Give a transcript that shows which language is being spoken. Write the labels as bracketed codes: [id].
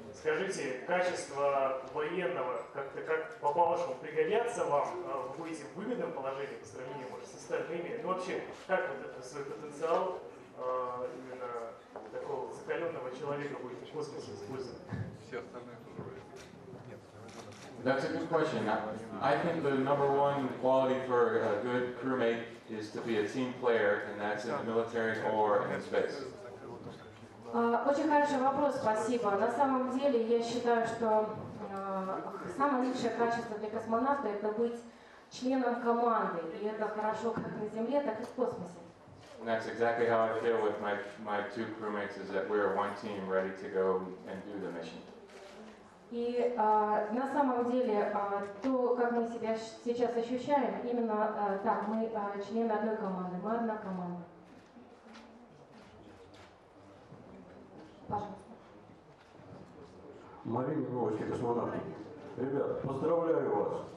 [ru] Скажите, качество военного как-то как по-вашему пригодятся вам? Вы будете в выгодном положении по сравнению, может, с остальными? Ну, вообще, как вот этот свой потенциал именно такого закаленного человека будет в космосе использован? Все остальные тоже войны. [en] That's a good question. I think the number one quality for a good crewmate is to be a team player, and that's in the military or in space. [ru] Очень хороший вопрос, спасибо. На самом деле, я считаю, что самое лучшее качество для космонавта – это быть членом команды. И это хорошо как на Земле, так и в космосе. [en] And that's exactly how I feel with my two crewmates, is that we're one team ready to go and do the mission. [ru] И на самом деле, то, как мы себя сейчас ощущаем, именно так, мы члены одной команды, мы одна команда. Марина Новочки, космонавт. Ребят, поздравляю вас.